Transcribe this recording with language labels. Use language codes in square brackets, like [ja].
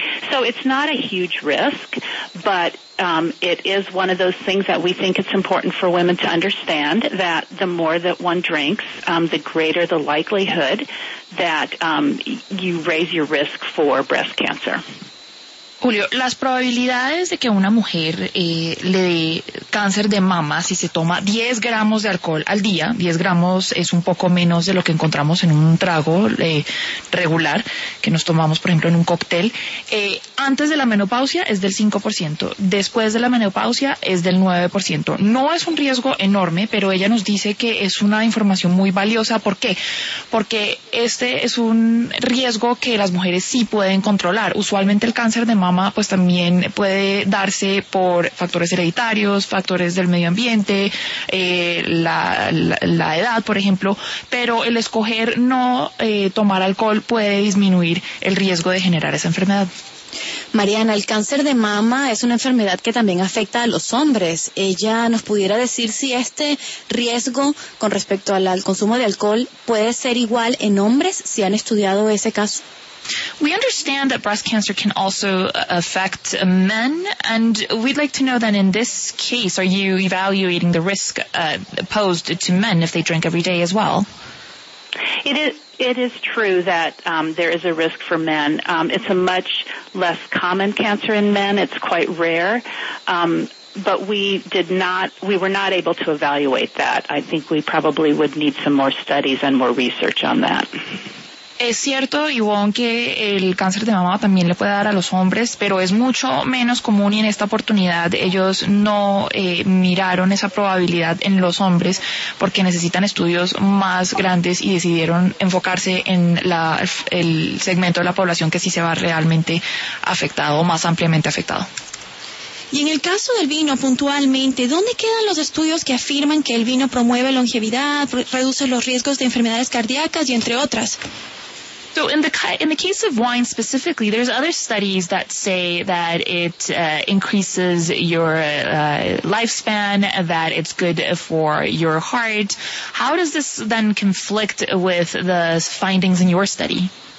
[en] So it's not a huge risk, but it is one of those things that we think it's important for women to understand, that the more that one drinks, the greater the likelihood that you raise your risk for breast cancer. [es] Julio, las probabilidades de que una mujer le dé cáncer de mama si se toma 10 gramos de alcohol al día, 10 gramos es un poco menos de lo que encontramos en un trago regular que nos tomamos, por ejemplo, en un cóctel, antes de la menopausia es del 5%, después de la menopausia es del 9%. No es un riesgo enorme, pero ella nos dice que es una información muy valiosa. ¿Por qué? Porque este es un riesgo que las mujeres sí pueden controlar. Usualmente el cáncer de mama pues también puede darse por factores hereditarios, factores del medio ambiente, la edad, por ejemplo, pero el escoger no tomar alcohol puede disminuir el riesgo de generar esa enfermedad. Mariana, el cáncer de mama es una enfermedad que también afecta a los hombres. ¿Ella nos pudiera decir si este riesgo con respecto al consumo de alcohol puede ser igual en hombres, si han estudiado ese caso? [en] We understand that breast cancer can also affect men, and we'd like to know then in this case, are you evaluating the risk posed to men if they drink every day as well? It is true that there is a risk for men. It's a much less common cancer in men. It's quite rare. But we were not able to evaluate that. I think we probably would need some more studies and more research on that. [es] Es cierto, Ivonne, que el cáncer de mama también le puede dar a los hombres, pero es mucho menos común y en esta oportunidad ellos no miraron esa probabilidad en los hombres porque necesitan estudios más grandes y decidieron enfocarse en el segmento de la población que sí se va realmente afectado, más ampliamente afectado. Y en el caso del vino puntualmente, ¿dónde quedan los estudios que afirman que el vino promueve longevidad, reduce los riesgos de enfermedades cardíacas y entre otras? [en] So in the case of wine specifically, there's other studies that say that it increases your lifespan, that it's good for your heart. How does this then conflict with the findings in your study?